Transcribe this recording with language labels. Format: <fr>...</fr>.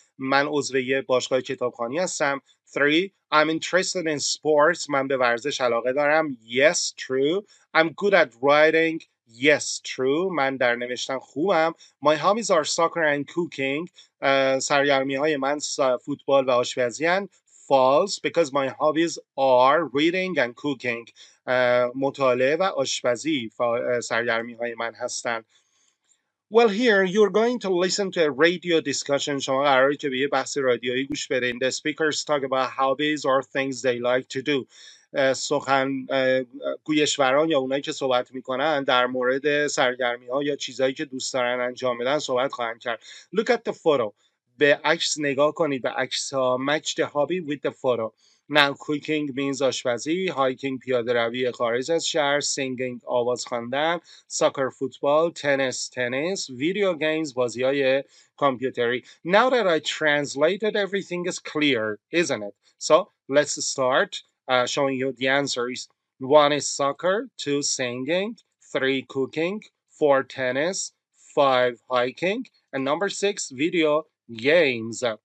<fa>من عضو یه باشگاه کتابخوانی هستم.</fa> <en>3, I'm interested in sports.</en> <fa>من به ورزش علاقه دارم.</fa> <en>Yes, true. I'm good at writing. Yes, true.</en> <fa>من در نوشتن خوبم.</fa> <en>My hobbies are soccer and cooking.</en> <fa>سرگرمی‌های من فوتبال و آشپزی هستند.</fa> <en>False, because my hobbies are reading and cooking.</en> <fa>مطالعه و آشپزی سرگرمی های من هستند.</fa> <en>Well, here you're going to listen to a radio discussion.</en> <fa>شما قراره که به یه بحث رادیویی گوش بدین.</fa> <en>The speakers talk about hobbies or things they like to do.</en> <fa>سخن گویشوران یا اونایی که صحبت میکنن در مورد سرگرمی ها یا چیزایی که دوست دارن انجام بدن صحبت خواهند کرد.</fa> <en>Look at the photo.</en> <fa>به عکس نگاه کنید. به عکس ها.</fa> <en>Match the hobby with the photo. Now cooking means آشپزی.</en> <fa>Hiking پیاده روی خارج از شهر.</fa> <en>Singing</en> <fa>آواز خواندن.</fa> <en>Soccer football. Tennis tennis. Video games</en> <fa>بازی های کامپیوتری.</fa> <en>Now that I translated everything is clear, isn't it? So let's start showing you the answers. One is soccer. Two singing. Three cooking. Four tennis. Five hiking. And number 6, video games.</en>